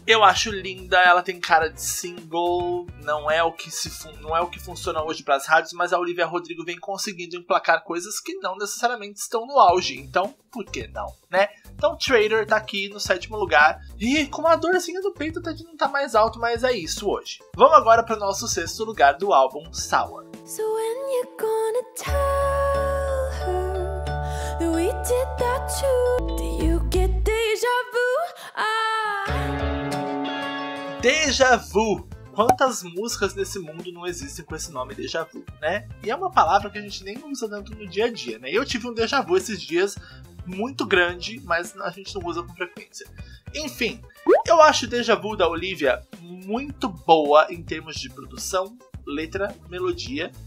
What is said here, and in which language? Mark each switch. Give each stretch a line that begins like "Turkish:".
Portuguese: Eu acho linda, ela tem cara de single, não é o que funciona hoje pras rádios, mas a Olivia Rodrigo vem conseguindo emplacar coisas que não necessariamente estão no auge, então por que não, né? Então Traitor tá aqui no 7º lugar, e com uma dorzinha do peito até de não tá mais alto, mas é isso hoje. Vamos agora pro nosso 6º lugar do álbum Sour.
English: So when you're gonna tell her we did that too, do you get déjà vu? Déjà vu!
Portuguese: Quantas músicas nesse mundo não existem com esse nome déjà vu, né? E é uma palavra que a gente nem usa tanto no dia a dia, né? Eu tive um déjà vu esses dias, muito grande, mas a gente não usa com frequência. Enfim, eu acho Deja Vu da Olivia muito boa em termos de produção, letra, melodia.